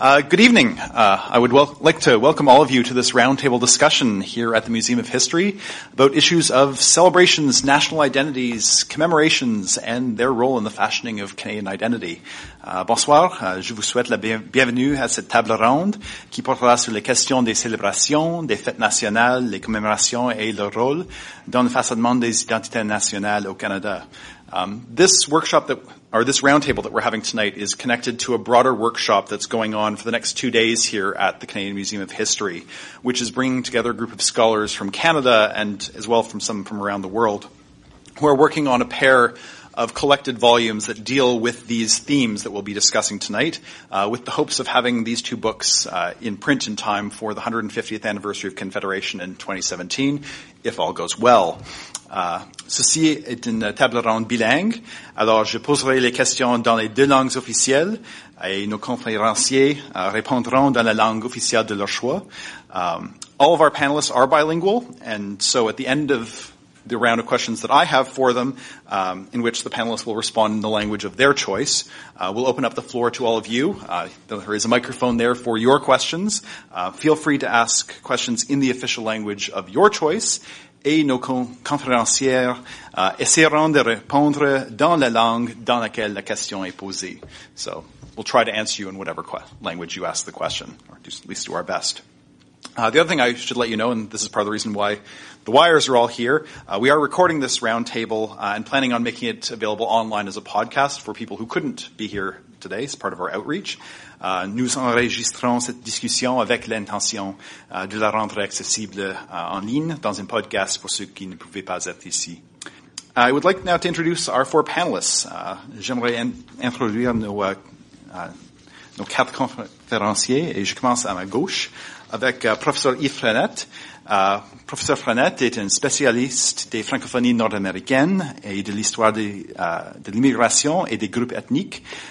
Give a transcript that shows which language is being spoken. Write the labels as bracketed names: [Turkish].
[English] Good evening. I would like to welcome all of you to this roundtable discussion here at the Museum of History about issues of celebrations, national identities, commemorations, and their role in the fashioning of Canadian identity. [French] Bonsoir. Je vous souhaite la bienvenue à cette table ronde qui portera sur les questions des célébrations, des fêtes nationales, les commémorations et leur rôle dans le façonnement des identités nationales au Canada. [English] This roundtable that we're having tonight is connected to a broader workshop that's going on for the next 2 days here at the Canadian Museum of History, which is bringing together a group of scholars from Canada and as well from some from around the world who are working on a pair of collected volumes that deal with these themes that we'll be discussing tonight, with the hopes of having these two books in print in time for the 150th anniversary of Confederation in 2017, if all goes well. [French] Ceci est une table ronde bilingue. Alors, je poserai les questions dans les deux langues officielles et nos conférenciers répondront dans la langue officielle de leur choix. [English] All of our panelists are bilingual, and so at the end of the round of questions that I have for them, in which the panelists will respond in the language of their choice, we'll open up the floor to all of you. There is a microphone there for your questions. Feel free to ask questions in the official language of your choice. [French] Et nos conférencières essaieront de répondre dans la langue dans laquelle la question est posée. [English] So we'll try to answer you in whatever language you ask the question, or at least do our best. The other thing I should let you know, and this is part of the reason why the wires are all here, we are recording this roundtable and planning on making it available online as a podcast for people who couldn't be here today as part of our outreach. [French] Nous enregistrons cette discussion avec l'intention de la rendre accessible en ligne dans un podcast pour ceux qui ne pouvaient pas être ici. [English] I would like now to introduce our four panelists. [French] J'aimerais introduire nos quatre conférenciers et je commence à ma gauche avec Professeur Yves Frenette. Professeur Frenette est un spécialiste des francophonies nord-américaines et de l'histoire de l'immigration et des groupes ethniques.